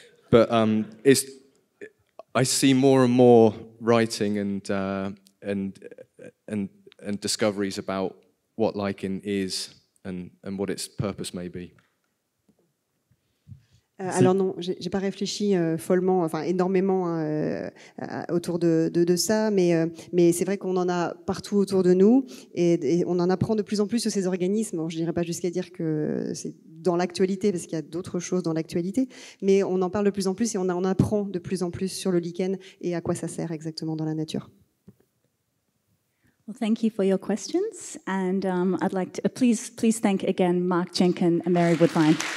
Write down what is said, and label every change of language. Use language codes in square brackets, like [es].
[en] But I see more and more writing and discoveries about what lichen is and what its purpose may be. [fr] Alors non, j'ai pas réfléchi follement, enfin énormément autour de ça, mais c'est vrai qu'on en a partout autour de nous et on en apprend de plus en plus sur ces organismes. Bon, je dirais pas jusqu'à dire que c'est dans l'actualité parce qu'il y a d'autres choses dans l'actualité, mais on en parle de plus en plus et on en apprend de plus en plus sur le lichen et à quoi ça sert exactement dans la nature. [en] Well, thank you for your questions, and I'd like to please thank again Mark Jenkin and Mary Woodbine.